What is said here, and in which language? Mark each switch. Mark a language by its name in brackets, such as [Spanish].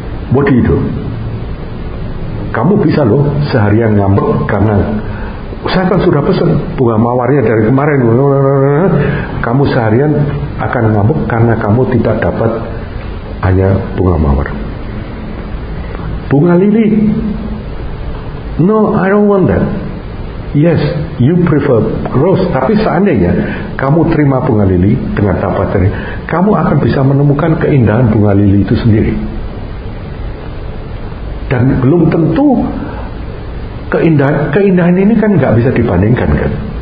[English] What do you do? [Indonesian] Kamu bisa loh seharian ngambek karena saya kan sudah pesan bunga mawarnya dari kemarin, kamu seharian akan ngamuk karena kamu tidak dapat hanya bunga mawar. Bunga lili, [English] no, I don't want that. Yes, you prefer rose. [Indonesian] Tapi seandainya kamu terima bunga lili dengan tapat ini, kamu akan bisa menemukan keindahan bunga lili itu sendiri. Dan belum tentu keindahan ini kan gak bisa dibandingkan kan.